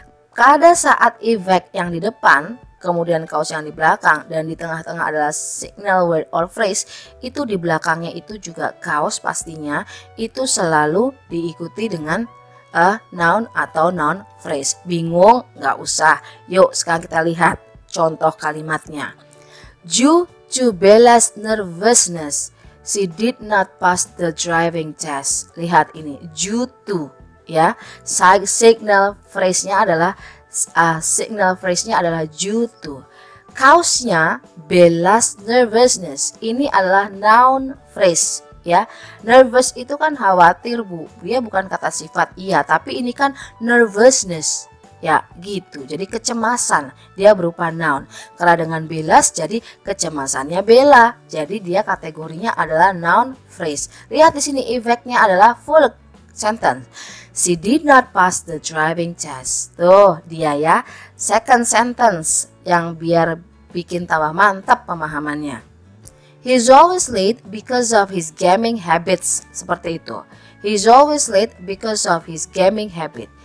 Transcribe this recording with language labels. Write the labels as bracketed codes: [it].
[id] Pada saat effect yang di depan, kemudian cause yang di belakang, dan di tengah-tengah adalah [en] signal word or phrase, [id] itu di belakangnya itu juga cause pastinya, itu selalu diikuti dengan a noun atau noun phrase. Bingung? Nggak usah. Yuk, sekarang kita lihat contoh kalimatnya. [en] Due to Bella's nervousness, she did not pass the driving test. [id] Lihat ini, due to, ya. Signal phrase-nya adalah due to. Cause-nya Bella's nervousness. Ini adalah noun phrase, ya. Nervous itu kan khawatir, Bu. Dia bukan kata sifat, iya, tapi ini kan nervousness. Ya gitu, jadi kecemasan dia berupa noun. Karena dengan Bella's jadi kecemasannya Bella, jadi dia kategorinya adalah noun phrase. Lihat di sini effect-nya adalah full sentence. [en] She did not pass the driving test. [id] Tuh dia ya, second sentence yang biar bikin tambah mantap pemahamannya. [en] He's always late because of his gaming habits. [id] Seperti itu. [en] He's always late because of his gaming habit.